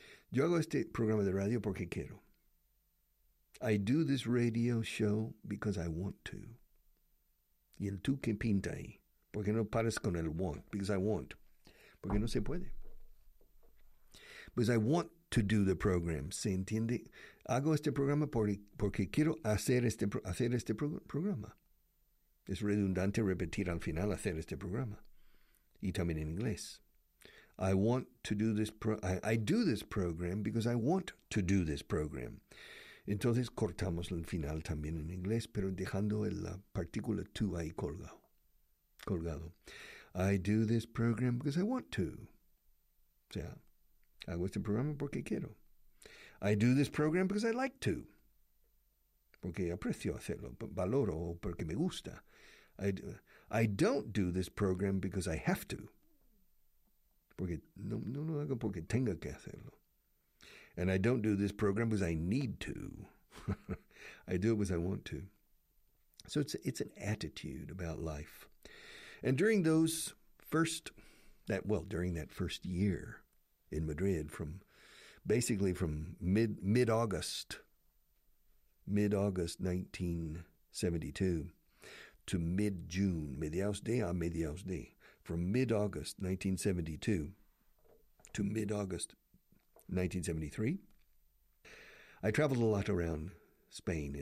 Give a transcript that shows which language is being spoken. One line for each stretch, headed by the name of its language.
Spanish: Yo hago este programa de radio porque quiero.
English: I do this radio show because I want to.
Spanish: Y el tú que pinta ahí. Porque no paras con el want.
English: Because I want.
Spanish: Porque no se puede.
English: Because I want to do the program.
Spanish: ¿Se entiende? Hago este programa porque quiero hacer este programa. Es redundante repetir al final hacer este programa. Y también en inglés.
English: I want to do this I do this program because I want to do this program.
Spanish: Entonces cortamos el final también en inglés, pero dejando la partícula to ahí colgado.
English: I do this program because I want to.
Spanish: O sea, hago este programa porque quiero.
English: I do this program because I like to.
Spanish: Porque aprecio hacerlo, valoro, porque me gusta.
English: I don't do this program because I have to.
Spanish: Porque no lo hago porque tenga que hacerlo.
English: And I don't do this program because I need to. I do it because I want to. So it's an attitude about life. And during those first, during that first year in Madrid, from mid-August 1972 to mid-June, from mid-August 1972 to mid-August 1973, I traveled a lot around Spain.